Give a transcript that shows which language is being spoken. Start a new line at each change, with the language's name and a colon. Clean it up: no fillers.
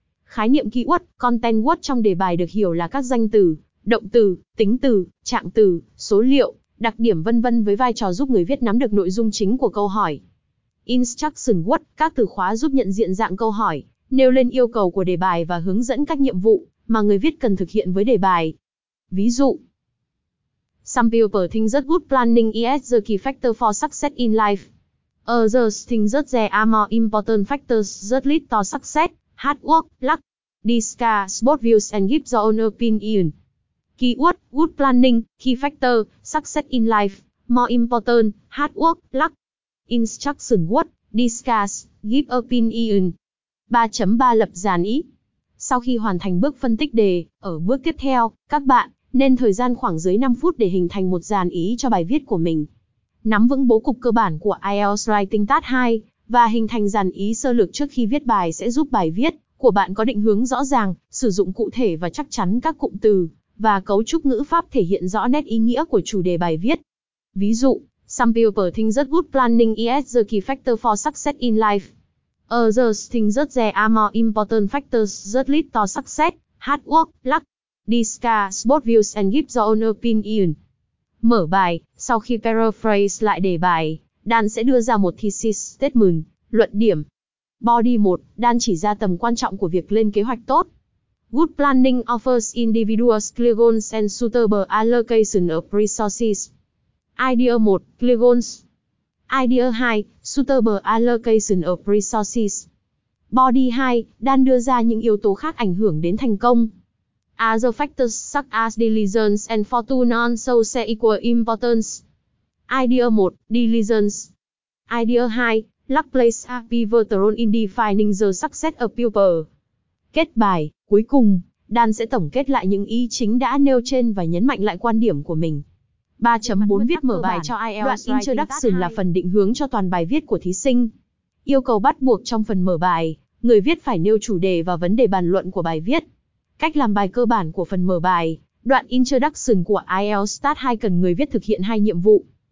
Vietnamese: Khái niệm keyword, content word trong đề bài được hiểu là các danh từ, động từ, tính từ, trạng từ, số liệu, đặc điểm v.v. với vai trò giúp người viết nắm được nội dung chính của câu hỏi. Instruction word, các từ khóa giúp nhận diện dạng câu hỏi, nêu lên yêu cầu của đề bài và hướng dẫn các nhiệm vụ mà người viết cần thực hiện với đề bài. Ví dụ,
English: Some people think that good planning is the key factor for success in life. Others think that there are more important factors that lead to success, hard work, luck. Discuss both views and give your own opinion. Keyword, good planning, key factor, success in life, more important, hard work, luck. Instruction word, discuss, give opinion.
Vietnamese: 3.3 Lập dàn ý. Sau khi hoàn thành bước phân tích đề, ở bước tiếp theo, các bạn nên thời gian khoảng dưới 5 phút để hình thành một dàn ý cho bài viết của mình. Nắm vững bố cục cơ bản của IELTS Writing Task 2 và hình thành dàn ý sơ lược trước khi viết bài sẽ giúp bài viết của bạn có định hướng rõ ràng, sử dụng cụ thể và chắc chắn các cụm từ và cấu trúc ngữ pháp thể hiện rõ nét ý nghĩa của chủ đề bài viết. Ví dụ,
English: Some people think that good planning is the key factor for success in life. Others think that there are more important factors that lead to success, hard work, luck. Discuss both views and give your own opinion.
Vietnamese: Mở bài, sau khi paraphrase lại đề bài, Dan sẽ đưa ra một thesis statement, luận điểm. Body 1, Dan chỉ ra tầm quan trọng của việc lên kế hoạch tốt.
English: Good planning offers individuals clear goals and suitable allocation of resources. Idea 1, clear goals. Idea 2, suitable allocation of resources.
Vietnamese: Body 2, Dan đưa ra những yếu tố khác ảnh hưởng đến thành công.
English: Other factors such as diligence and fortune also say equal importance. Idea 1, diligence. Idea 2, luck plays a pivotal role in defining the success of people.
Vietnamese: Kết bài, cuối cùng, Dan sẽ tổng kết lại những ý chính đã nêu trên và nhấn mạnh lại quan điểm của mình. 3.4 Viết mở bài cho IELTS Writing Task 2. Đoạn Introduction là phần định hướng cho toàn bài viết của thí sinh. Yêu cầu bắt buộc trong phần mở bài, người viết phải nêu chủ đề và vấn đề bàn luận của bài viết. Cách làm bài cơ bản của phần mở bài, đoạn Introduction của IELTS Start 2 cần người viết thực hiện 2 nhiệm vụ.